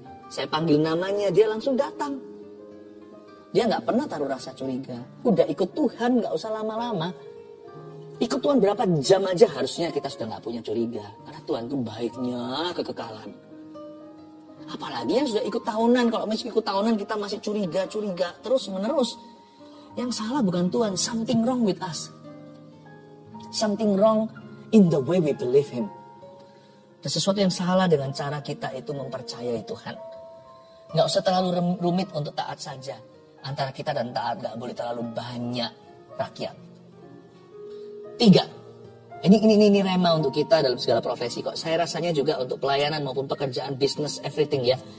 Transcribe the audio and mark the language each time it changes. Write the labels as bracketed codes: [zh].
[id] Saya panggil namanya, dia langsung datang. Dia gak pernah taruh rasa curiga. Udah ikut Tuhan, gak usah lama-lama. Ikut Tuhan berapa jam aja harusnya kita sudah gak punya curiga. Karena Tuhan itu baiknya kekekalan. Apalagi yang sudah ikut tahunan. Kalau masih ikut tahunan kita masih curiga-curiga terus-menerus. Yang salah bukan Tuhan. [en] Something wrong with us. Something wrong in the way we believe him. [id] Ada sesuatu yang salah dengan cara kita itu mempercayai Tuhan. Gak usah terlalu rumit untuk taat saja. Antara kita dan taat gak boleh terlalu banyak rakyat. Tiga. Ini rema untuk kita dalam segala profesi kok. Saya rasanya juga untuk pelayanan maupun pekerjaan, [en] business, everything [id] ya.